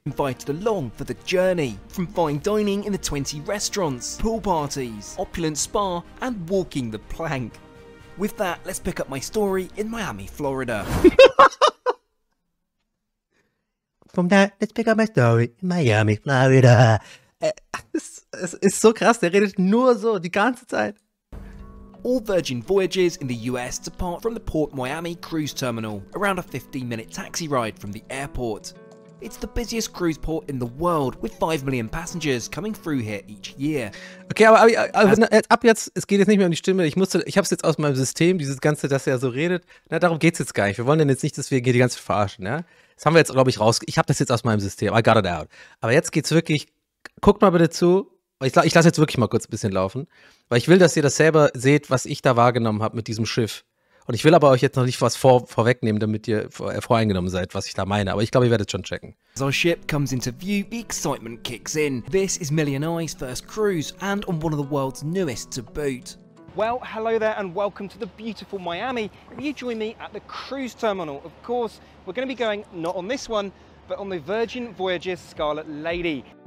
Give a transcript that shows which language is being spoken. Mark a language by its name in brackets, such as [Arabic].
[English] Invited along for the journey, from fine dining in the 20 restaurants, pool parties, opulent spa, and walking the plank. With that, let's pick up my story in Miami, Florida. From that, let's pick up my story in Miami, Florida. [German] Es ist so krass, der redet nur so die ganze Zeit. [English] All Virgin Voyages in the US depart from the Port Miami Cruise Terminal, around a 15-minute taxi ride from the airport. It's the busiest cruise port in the world, with 5 million passengers coming through here each year. [German] Okay, aber es geht jetzt nicht mehr um die Stimme. Ich habe es jetzt aus meinem System, dieses Ganze, dass er so redet. Na, darum geht's jetzt gar nicht. Wir wollen denn jetzt nicht, dass wir hier die ganze Zeit verarschen, ja? Das haben wir jetzt, glaube ich, raus. Ich habe das jetzt aus meinem System. [English] I got it out. [German] Aber jetzt geht's wirklich. Guckt mal bitte zu. Ich lasse jetzt wirklich mal kurz ein bisschen laufen, weil ich will, dass ihr das selber seht, was ich da wahrgenommen habe mit diesem Schiff. Und ich will aber euch jetzt noch nicht was vorwegnehmen, damit ihr voreingenommen seid, was ich da meine. Aber ich glaube, ihr werdet schon checken. [English] As our ship comes into view, the excitement kicks in. This is Millie and I's first cruise and on one of the world's newest to boot. Well, hello there and welcome to the beautiful Miami. Will you join me at the cruise terminal? Of course, we're going to be going not on this one, but on the Virgin Voyages Scarlet Lady.